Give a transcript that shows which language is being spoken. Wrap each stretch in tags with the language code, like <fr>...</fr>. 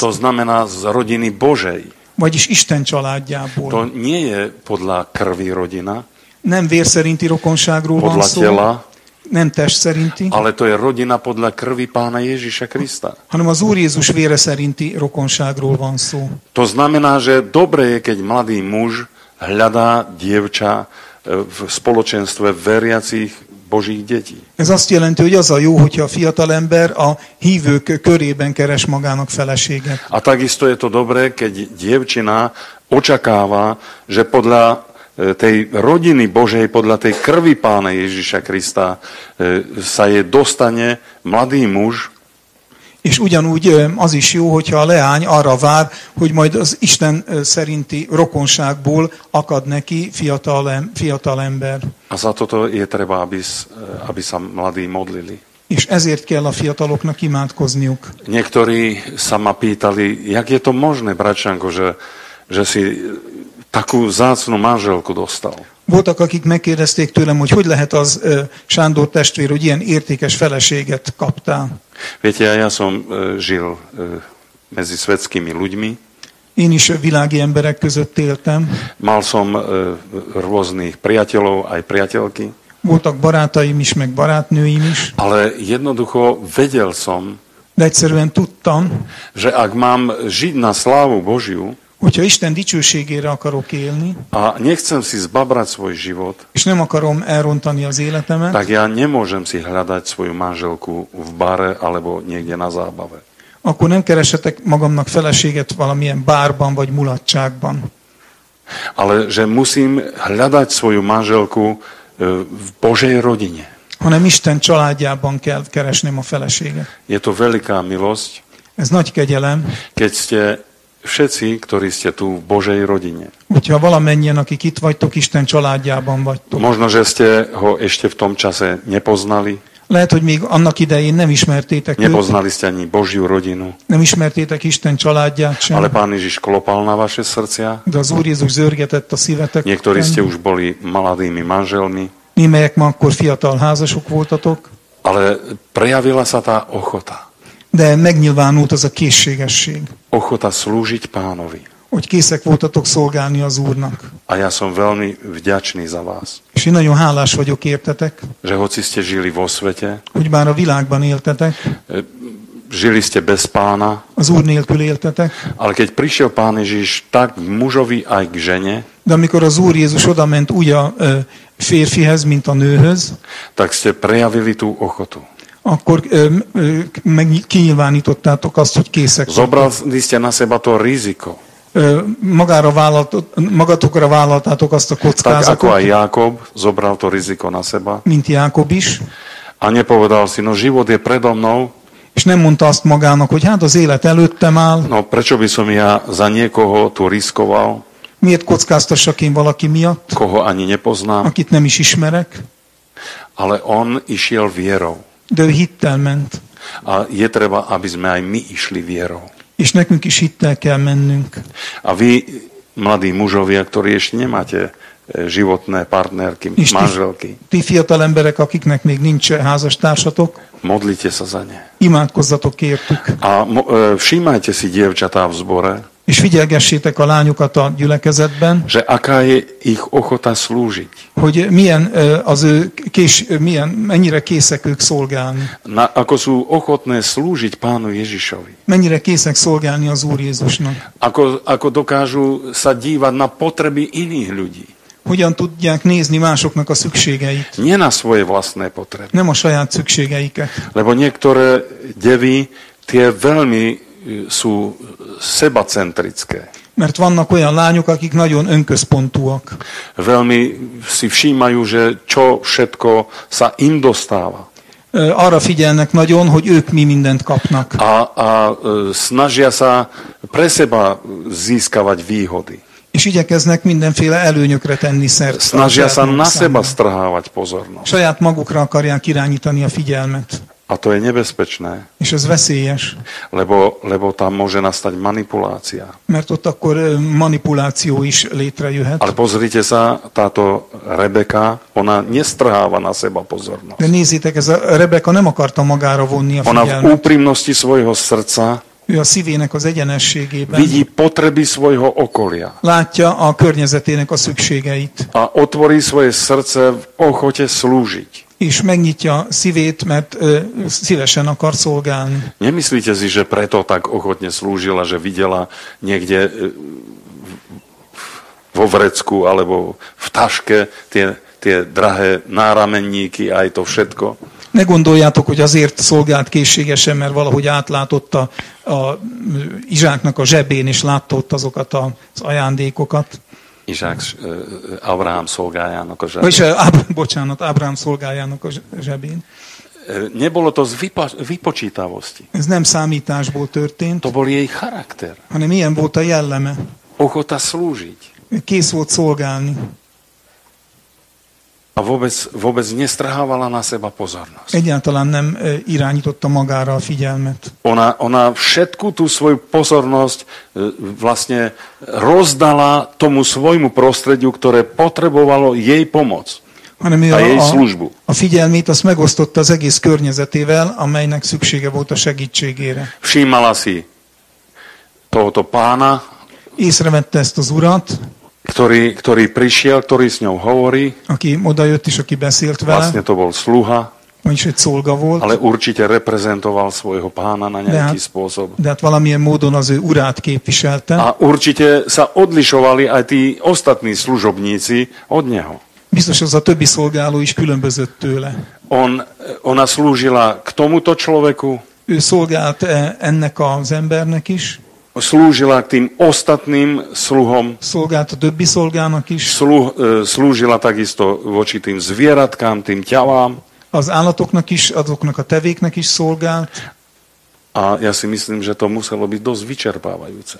<sk>To znamená z rodiny Božej.</sk> <hu>Vagyis Isten családjából.</hu> <sk>To nie je podľa krvi rodina.</sk> <hu>Nem vér szerinti rokonságról van szó.</hu> <sk>Podľa tela.</sk> <hu>Nem test szerinti.</hu> <sk>Ale to je rodina podľa krvi Pána Ježiša Krista.</sk> <hu>Hanem az Úr Jézus vére szerinti rokonságról van szó.</hu> <sk>To znamená, že dobre je, keď mladý muž hľadá dievča v spoločenstve veriacich Božích dětí.</sk> <hu>Ez azt jelenti, hogy az a jó, hogyha a fiatal ember a hívők körében keres magának feleséget.</hu> <sk>A takisto je to dobré, keď dievčina očakáva, že podľa tej rodiny Božej, podľa tej krvi Pána Ježiša Krista sa jej dostane mladý muž.</sk> <hu>És ugyanúgy az is jó, hogyha a leány arra vár, hogy majd az Isten szerinti rokonságból akad neki fiatal ember.</hu> <sk>A za toto je treba, aby sa mladí modlili.</sk> <hu>És ezért kell a fiataloknak imádkozniuk.</hu> <sk>Niektorí sa ma pýtali, jak je to možné, bratčanko, že si takú zácnú manželku dostal.</sk> <hu>Voltak, akik megkérdezték tőlem, hogy hogy lehet az Sándor testvér, hogy ilyen értékes feleséget kaptál.</hu> <sk>Viete, ja som žil medzi svetskými ľuďmi.</sk> <hu>Én is világi emberek között éltem.</hu> <sk>Mal som rôznych priateľov, aj priateľky.</sk> <hu>Voltak barátaim is, meg barátnőim is.</hu> <sk>Ale jednoducho vedel som,</sk> <hu>de egyszerűen tudtam,</hu> <sk>že ak mám žiť na slávu Božiu,</sk> <hu>hogyha Isten dicsőségére akarok élni,</hu> <sk>a nechcem si zbabrať svoj život,</sk> <hu>és nem akarom elrontani az életemet,</hu> <sk>tak ja nemôžem si hľadať svoju manželku v bare alebo niekde na zábave.</sk> <hu>Akkor nem keresetek magamnak feleséget valamilyen bárban vagy mulatságban.</hu> <sk>Ale že musím hľadať svoju manželku v Božej rodine.</sk> <hu>Hanem Isten családjában kell keresnem a feleséget.</hu> <sk>Je to veľká milosť.</sk> <hu>Ez nagy kegyelem.</hu> <sk>Keď ste všetci, ktorí ste tu v Božej rodine.</sk> <hu>Hogyha valamennyien, akik itt vagytok, Isten családjában vagytok.</hu> <sk>Možno, že ste ho ešte v tom čase nepoznali.</sk> <hu>Lehet, hogy még annak idején nem ismertétek őt.</hu> <sk>Nepoznali ste ani Božiu rodinu.</sk> <hu>Nem ismertétek Isten családját sem.</hu> <sk>Ale Pán Ježiš klopal na vaše srdcia.</sk> <hu>De az Úr Jézus zörgetett a szívetek.</hu> <sk>Niektorí ste už boli mladými manželmi.</sk> <hu>Némelyek ma akkor fiatal házasok voltatok.</hu> <sk>Ale prejavila sa tá ochota.</sk> <hu>De megnyilvánult az a készségesség.</hu> <sk>Ochota slúžiť Pánovi.</sk> <hu>Hogy készek voltatok szolgálni az Úrnak.</hu> <sk>A ja som veľmi vďačný za vás.</sk> <hu>És én nagyon hálás vagyok értetek.</hu> <sk>Že hoci ste žili vo svete.</sk> <hu>Hogy már a világban éltetek.</hu> <sk>Žili ste bez Pána.</sk> <hu>Az Úr nélkül éltetek.</hu> <sk>Ale keď prišiel Pán Ježiš, tak k mužovi aj k žene.</sk> <hu>De amikor az Úr Jézus odament úgy a férfihez, mint a nőhöz.</hu> <sk>Tak ste prejavili tú ochotu.</sk> <hu>Akkor meg kinyilvánítottátok azt, hogy készek.</hu> <sk>Zobrali ste na seba to riziko.</sk> <hu>Magatokra vállaltátok azt a kockázatot.</hu> <sk>Tak ako aj Jákob zobral to riziko na seba.</sk> <hu>Mint Jákob is.</hu> <sk>A nepovedal si, no život je predo mnou.</sk> <hu>És nem mondta azt magának, hogy hát az élet előttem áll.</hu> <sk>No prečo by som ja za niekoho tu riskoval?</sk> <hu>Miért kockáztassak én valaki miatt?</hu> <sk>Koho ani nepoznám.</sk> <hu>Akit nem is ismerek.</hu> <sk>Ale on išiel vierou.</sk> <hu>De ő hittel ment.</hu> <sk>A je treba, aby sme aj my išli vierou.</sk> <hu>És nekünk is hittel kell mennünk.</hu> <sk>A vy, mladí mužovia, ktorí ešte nemáte životné partnerky, manželky.</sk> <hu>Ti fiatal emberek, akiknek még nincs házastársatok.</hu> <sk>Modlite sa za ne.</sk> <hu>Imádkozzatok értük.</hu> <sk>A všímajte si dievčatá v zbore.</sk> <hu>És figyelgessétek a lányokat a gyülekezetben.</hu> <sk>Že aká je ich ochota slúžiť.</sk> <hu>Hogy milyen az ő kés, milyen, mennyire készek ők szolgálni.</hu> <sk>Na, ako sú ochotné slúžiť Pánu Ježišovi.</sk> <hu>Mennyire készek szolgálni az Úr Jézusnak.</hu> <sk>Ako dokážu sa dívať na potreby iných ľudí.</sk> <hu>Hogyan tudják nézni másoknak a szükségeit.</hu> <sk>Nie na svoje vlastné potreby.</sk> <hu>Nem a saját szükségeiket.</hu> <sk>Lebo niektoré devy, tie veľmi sú sebacentrické.</sk> <hu>Mert vannak olyan lányok, akik nagyon önközpontúak.</hu> <sk>Veľmi si všímajú, že čo všetko sa im dostáva.</sk> <hu>Arra figyelnek nagyon, hogy ők mi mindent kapnak.</hu> <sk>A snažia sa pre seba získavať výhody.</sk> <hu>És igyekeznek mindenféle előnyökre tenni szert.</hu> <sk>Snažia sa na seba strhávať pozornosť.</sk> <hu>Saját magukra akarják irányítani a figyelmet.</hu> <sk>A to je nebezpečné.</sk> <hu>És ez veszélyes.</hu> <sk>Lebo tam môže nastať manipulácia.</sk> <hu>Mert ott akkor manipuláció is létrejöhet.</hu> <sk>Ale pozrite sa, táto Rebeka, ona nestrháva na seba pozornosť.</sk> <hu>De nézzétek, ez a Rebeka nem akarta magára vonni a figyelmet.</hu> <sk>Ona v úprimnosti svojho srdca</sk> <hu>ő a szívének az egyenességében</hu> <sk>vidí potreby svojho okolia.</sk> <hu>Látja a környezetének a szükségeit.</hu> <sk>A otvorí svoje srdce v ochote slúžiť.</sk> <hu>És megnyitja szívét, mert szívesen akar szolgálni.</hu> <sk>Nemyslíte si, že preto tak ochotne slúžila, že videla niekde vo vrecku alebo v taške tie tie drahé náramenníky, aj to všetko.</sk> <hu>Ne gondoljátok, hogy azért szolgált készségesen, mert valahogy átlátott a Izsáknak a zsebén, és látta ott azokat az ajándékokat. Izsák Abraham szolgájának a zsebén. Vagyis, bocsánat, Abraham szolgájának a zsebén.</hu> <sk>Nebolo to z vypočítavosti.</sk> <hu>Ez nem számításból történt.</hu> <sk>To bol jej charakter.</sk> <hu>Hanem ilyen volt a jelleme.</hu> <sk>Ochota slúžiť.</sk> <hu>Kész volt szolgálni.</hu> <sk>A vôbec nestrhávala na seba pozornosť.</sk> <hu>Egyáltalán nem irányította magára a figyelmet.</hu> <sk>Ona všetku tú svoju pozornosť vlastne rozdala tomu svojmu prostrediu, ktoré potrebovalo jej pomoc.</sk> <hu>Hanem a figyelmét azt megosztotta az egész környezetével, amelynek szüksége volt a segítségére.</hu> <sk>Všímala si tohoto pána,</sk> <hu>észrevette ezt az urat,</hu> <sk>ktorý prišiel, ktorý s ňou hovorí,</sk> <hu>aki odajött és aki beszélt vele,</hu> <sk>vlastne to bol sluha,</sk> <hu>vagyis egy szolga volt,</hu> <sk>ale určite reprezentoval svojho pána na nejaký spôsob.</sk> <hu>De hát valamilyen módon az ő urát képviselte.</hu> <sk>A určite sa odlišovali aj tí ostatní služobníci od neho.</sk> <hu>Biztos az a többi szolgáló is különbözött tőle.</hu> <sk>Ona slúžila k tomuto človeku.</sk> <hu>Ő szolgált ennek az embernek is.</hu> <sk>Slúžila k tým ostatným sluhom.</sk> <hu>Szolgált a többi szolgának is.</hu> <sk>Slúžila takisto voči tým zvieratkám, tým ťavám.</sk> <hu>Az állatoknak is, azoknak a tevéknek is szolgált.</hu> <sk>A ja si myslím, že to muselo byť dosť vyčerpávajúce.</sk>